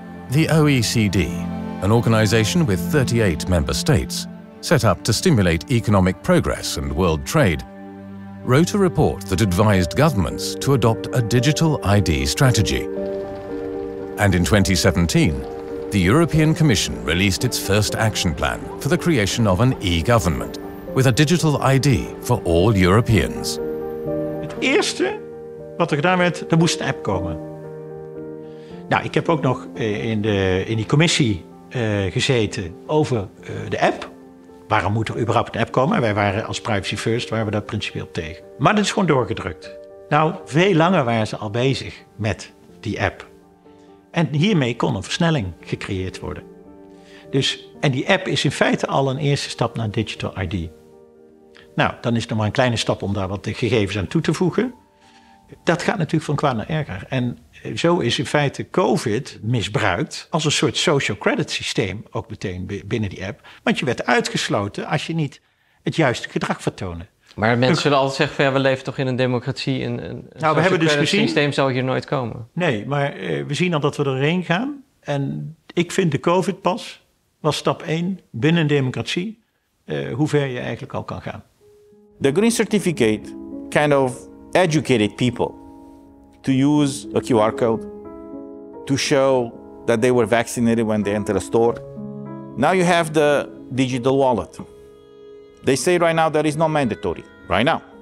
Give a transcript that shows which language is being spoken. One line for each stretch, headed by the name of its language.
English: The OECD, an organization with 38 member states, set up to stimulate economic progress and world trade, wrote a report that advised governments to adopt a digital ID strategy. And in 2017, the European Commission released its first action plan for the creation of an e-government with a digital ID for all Europeans.
Dutch: Het eerste wat er gedaan werd, er moest een app komen. Nou, ik heb ook nog in die commissie gezeten over de app. Waarom moet er überhaupt een app komen? Wij waren als Privacy First waren we dat principeel tegen. Maar dat is gewoon doorgedrukt. Nou, veel langer waren ze al bezig met die app. En hiermee kon een versnelling gecreëerd worden. Dus, en die app is in feite al een eerste stap naar Digital ID. Nou, dan is het nog maar een kleine stap om daar wat de gegevens aan toe te voegen. Dat gaat natuurlijk van kwaad naar erger. En zo is in feite COVID misbruikt als een soort social credit systeem, ook meteen binnen die app. Want je werd uitgesloten als je niet het juiste gedrag vertoonde. Maar mensen zullen altijd zeggen, we leven toch in een democratie. Een social credit systeem zal hier nooit komen. Nee, maar we zien al dat we erheen gaan. En ik vind de COVID-pas was stap 1 binnen een democratie, hoe ver je eigenlijk al kan gaan.
English: The green certificate kind of educated people to use a QR code to show that they were vaccinated when they entered a store. Now you have the digital wallet. They say right now that it's not mandatory, right now.